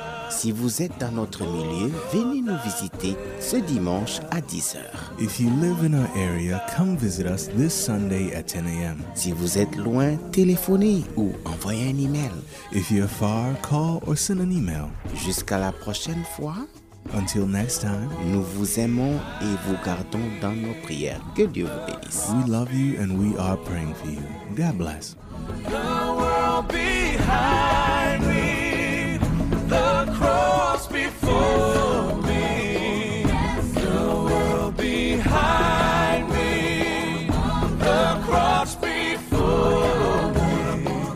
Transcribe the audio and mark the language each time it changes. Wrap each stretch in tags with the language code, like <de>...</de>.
<fr>Si vous êtes dans notre milieu, venez nous visiter ce dimanche à 10h.</fr> <en>If you live in our area, come visit us this Sunday at 10 a.m.</en> <fr>Si vous êtes loin, téléphonez ou envoyez un email.</fr> <en>If you're far, call or send an email.</en> <fr>Jusqu'à la prochaine fois.</fr> <en>Until next time.</en> <fr>Nous vous aimons et vous gardons dans nos prières. Que Dieu vous bénisse.</fr> <en>We love you and we are praying for you. God bless. The world behind me. The cross before me, the world behind me, the cross before me,</en>